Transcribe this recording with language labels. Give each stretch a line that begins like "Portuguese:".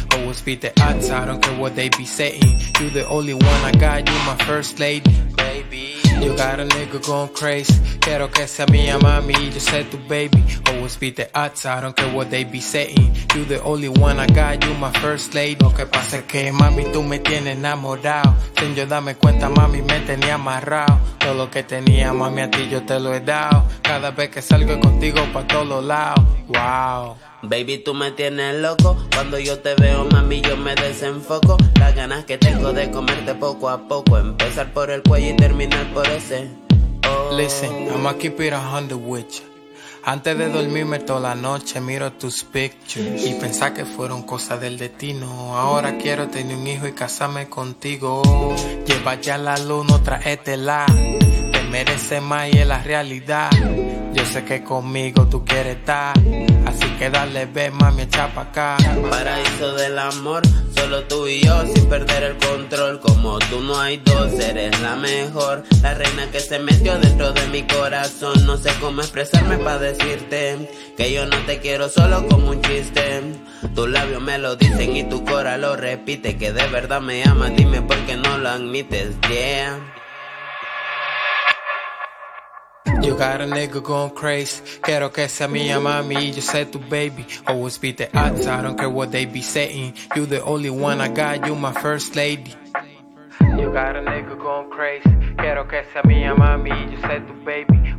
English: Always be the odds, I don't care what they be saying. You the only one I got, you my first lady, baby. You got a nigga going crazy.
Spanish: Quiero que sea mi mami,
English: you said to baby. Always be the odds, I don't care what they be saying. You the only one I got, you my first lady.
Spanish: Lo que pasa es que mami, tú me tienes enamorado. Sin yo darme cuenta, mami, me tenía amarrado. Todo lo que tenía, mami, a ti yo te lo he dado. Cada vez que salgo contigo pa' todos los lados. Wow. Baby, tú me tienes loco. Cuando yo te veo, mami, yo me desenfoco. Las ganas que tengo de comerte poco a poco. Empezar por el cuello y terminar por ese. Oh.
English: Listen, I'ma keep it 100 with you.
Spanish: Antes de dormirme toda la noche, miro tus pictures. Y pensar que fueron cosas del destino. Ahora quiero tener un hijo y casarme contigo. Lleva ya la luna, tráetela. Te merece más y es la realidad. Yo sé que conmigo tú quieres estar. Así que dale, ve, mami, echa pa' acá. Paraíso del amor, solo tú y yo, sin perder el control. Como tú no hay dos, eres la mejor. La reina que se metió dentro de mi corazón. No sé cómo expresarme pa' decirte que yo no te quiero solo como un chiste. Tus labios me lo dicen y tu cora lo repite. Que de verdad me amas, dime por qué no lo admites. Yeah.
English: You got a nigga going crazy.
Spanish: Quiero que sea mi mami,
English: you said to baby. Always be the odds, I don't care what they be saying. You the only one I got, you my first lady. You got a nigga going crazy.
Spanish: Quiero que sea mi mami,
English: you said to baby.